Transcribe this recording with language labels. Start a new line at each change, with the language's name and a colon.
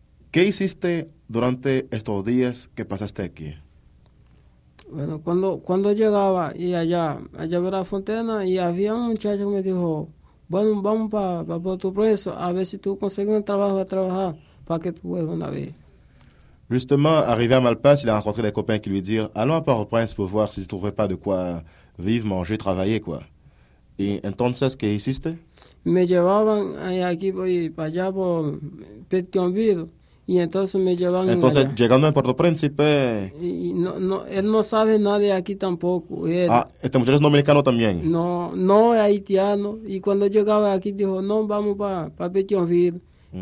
Spanish: ¿Qué hiciste durante estos días que pasaste aquí? Bueno, cuando llegaba y allá ver la fontana, y había un muchacho que me dijo, bueno, vamos para tu preso, a ver si tú consigues un trabajo a trabajar para que tú vuelvas una vez.
French: Justement, arrivé à Malpas, il a rencontré des copains qui lui dirent « Allons à Port-au-Prince pour voir s'il ne trouvait pas de quoi vivre, manger, travailler, quoi. » Et entonces, qu'est-ce qu'il existe?
Spanish: Me llevaban aquí para allá por Petionville y entonces me llevan entonces, allá. Llegando en Puerto Príncipe. Y no, no, él no sabe nada de aquí tampoco. Él, ah, este muchacho es dominicano también. No, no es haitiano. Y cuando llegaba aquí dijo, no, vamos para pa Petionville. Mm.